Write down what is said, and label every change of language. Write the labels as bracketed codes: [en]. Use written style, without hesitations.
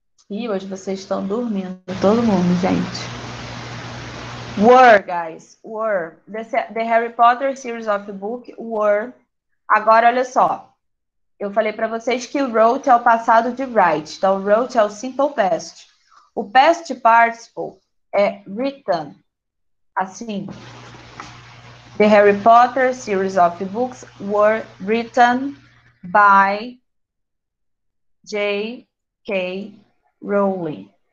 [pt] Ih, hoje vocês estão dormindo, todo mundo, gente. [en] Were, guys, were. The Harry Potter series of the book, were. [pt] Agora, olha só. Eu falei para vocês que wrote é o passado de write. Então, wrote é o simple past. O past participle é written. Assim. [en] The Harry Potter series of books were written by J.K. Rowling.